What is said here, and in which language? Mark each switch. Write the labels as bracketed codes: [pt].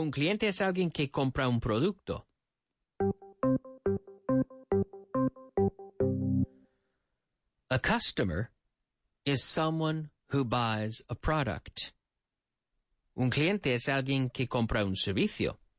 [es] Un cliente es alguien que compra un producto. [en] A customer is someone who buys a product. [es] Un cliente es alguien que compra un servicio.